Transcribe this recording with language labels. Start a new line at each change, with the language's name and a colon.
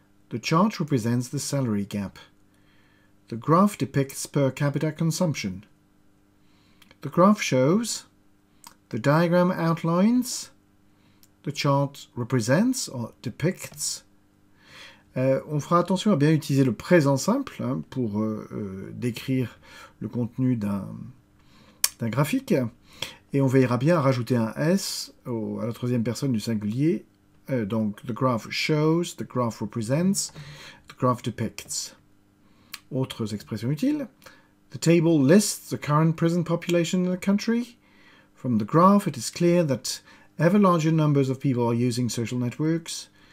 English: The chart represents the salary gap. The graph depicts per capita consumption. The graph shows, the diagram outlines, the chart represents or depicts.
French: On fera attention à bien utiliser le présent simple pour décrire le contenu d'un graphique. Et on veillera bien à rajouter un S à la troisième personne du singulier.
English: Donc, the graph shows, the graph represents, the graph depicts.
French: Autres expressions utiles.
English: The table lists the current prison population in the country. From the graph, it is clear that ever larger numbers of people are using social networks.